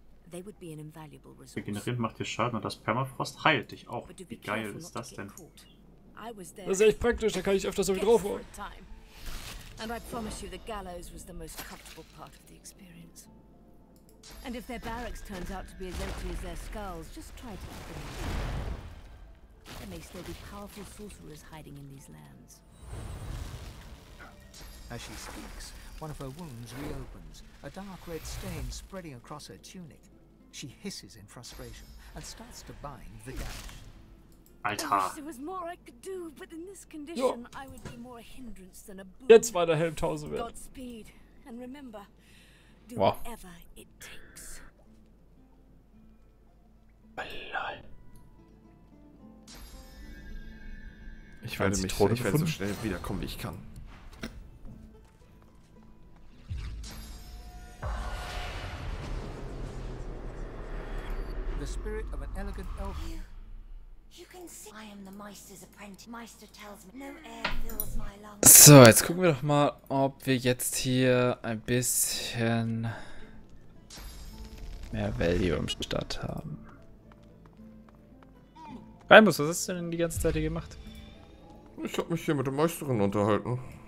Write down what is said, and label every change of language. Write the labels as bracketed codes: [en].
[en] They would be an invaluable resource. [de] Regeneriert macht dir Schaden und das Permafrost heilt dich auch. Wie geil ist das denn? Das ist echt praktisch, da kann ich öfter so wie drauf holen. [en] And I promise you the gallows was the most comfortable part of the experience. And if their barracks turns out to be as empty as their skulls, just try to keep them in. There may still be powerful sorcerers hiding in these lands. As she speaks, one of her wounds reopens, a dark red stain spreading across her tunic. She hisses in frustration and starts to bind the gash. Alter. There was more I could do, but in this condition I would be more a hindrance than a boon. [de] Jetzt war der Helm tausend wert. [en] Godspeed and remember, do whatever it takes. Lol. [de] Ich werde mich so schnell wiederkommen, wie ich kann. [en] The spirit of an elegant elf. You can see I am the Meister's apprentice. Meister tells me no air fills my lungs. [de] So, jetzt gucken wir doch mal, ob wir jetzt hier ein bisschen mehr Value im Start haben. Raimus, was hast du denn die ganze Zeit hier gemacht? Ich habe mich hier mit der Meisterin unterhalten.